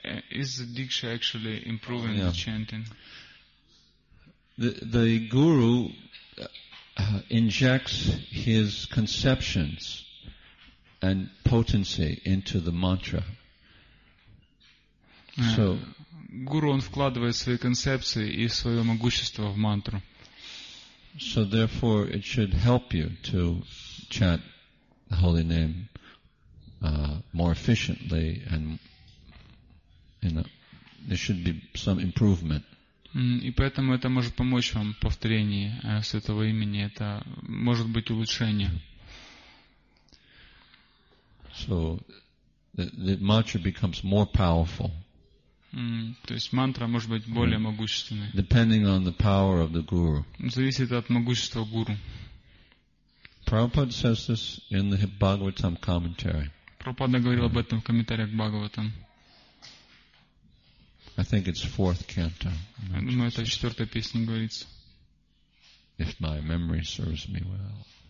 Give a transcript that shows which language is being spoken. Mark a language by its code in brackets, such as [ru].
[en] is the diksha actually improving the chanting? The guru injects his conceptions and potency into the mantra. So [ru] Гуру, он вкладывает свои концепции и свое могущество в мантру. [en] So therefore, it should help you to chant the holy name more efficiently, and you know, there should be some improvement. [ru] И поэтому это может помочь вам повторении святого имени. Это может быть улучшение. [en] So the mantra becomes more powerful. [ru] То есть мантра может быть более могущественной. [en] Depending on the power of the guru. [ru] Зависит от могущества гуру. [en] Prabhupada says this in the Bhagavatam commentary. [ru] Прабхупада говорил об этом в комментариях к Бхагаватам. [en] I think it's fourth canto. [ru] Я думаю, это четвертая песня говорится. [en] If my memory serves me well.